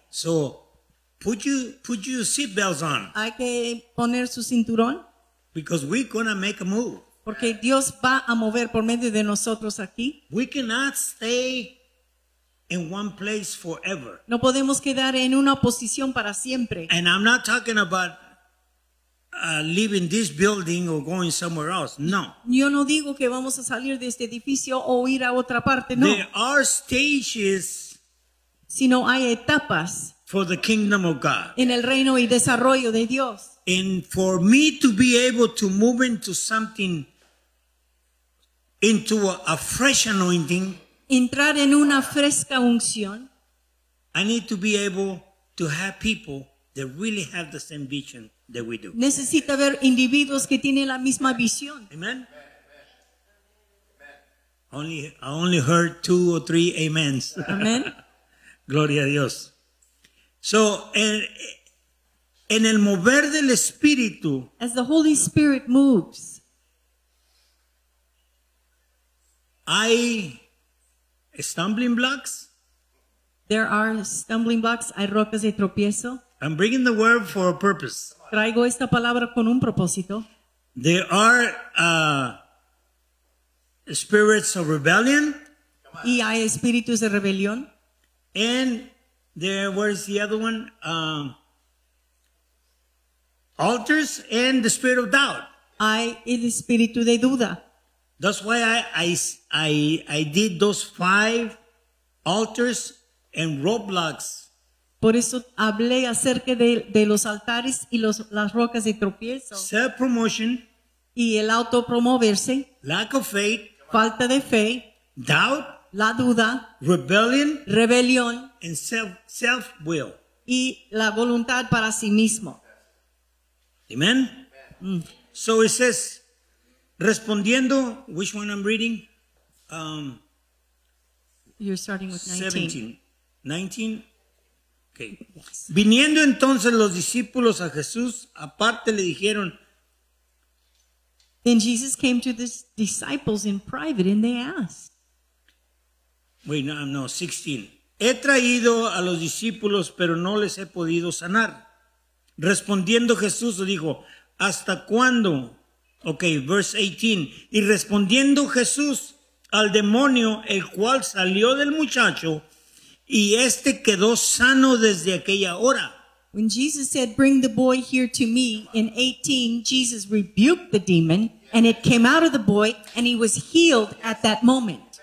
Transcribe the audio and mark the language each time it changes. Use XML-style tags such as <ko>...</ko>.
<en>So put your seatbelts on.</en> <es>Hay que poner su cinturón.</es> <en>Because we're gonna make a move.</en> <es>Porque Dios va a mover por medio de nosotros aquí.</es> <en>We cannot stay in one place forever.</en> <es>No podemos quedar en una posición para siempre.</es> <en>And I'm not talking about leaving this building or going somewhere else.</en> <es>No. Yo no digo que vamos a salir de este edificio o ir a otra parte. No.</es> <en>There are stages.</en> <es>Sino hay etapas.</es> <en>For the kingdom of God.</en> <es>En el reino y desarrollo de Dios.</es> <en>And for me to be able to move into something, into a fresh anointing.</en> <es>Entrar en una fresca unción.</es> <en>I need to be able to have people that really have the same vision that we do.</en> <es>Necesita ver individuos que tienen la misma visión.</es> <en>Amen. Amen. I only heard two or three amens. Amen.</en> <es>Gloria a Dios.</es> <en>So</en> <es>En el mover del Espíritu,</es> <en>as the Holy Spirit moves,</en> <es>hay</es> <en>stumbling blocks. There are stumbling blocks.</en> <es>Hay rocas de tropiezo.</es> <en>I'm bringing the word for a purpose.</en> <es>Traigo esta palabra con un propósito.</es> <en>There are spirits of rebellion.</en> <es>Y hay espíritus de rebelión.</es> <en>And there, where's the other one? Altars and the spirit of doubt.</en> <es>Hay el espíritu de duda.</es> <en>That's why I did those five altars and roadblocks.</en> <es>Por eso hablé acerca de los altares y los, las rocas de tropiezo.</es> <en>Self-promotion.</en> <es>Y el autopromoverse.</es> <en>Lack of faith.</en> <es>Falta de fe.</es> <en>Doubt.</en> <es>La duda.</es> <en>Rebellion.</en> <es>Rebelión.</es> <en>And self-will.</en> <es>Y la voluntad para sí mismo.</es> <en>Amen. Amen. Mm. So it says, respondiendo, which one I'm reading? You're starting with 17. 19. Okay. Yes.</en> <es>Viniendo entonces los discípulos a Jesús, aparte le dijeron.</es> <en>Then Jesus came to the disciples in private and they asked. Wait, no, no, 16.</en> <es>He traído a los discípulos, pero no les he podido sanar. Respondiendo Jesús dijo, ¿hasta cuándo?</es> <en>Okay, verse 18.</en> <es>Y respondiendo Jesús al demonio, el cual salió del muchacho, y este quedó sano desde aquella hora.</es> <en>When Jesus said, bring the boy here to me, in 18, Jesus rebuked the demon, and it came out of the boy, and he was healed at that moment.</en>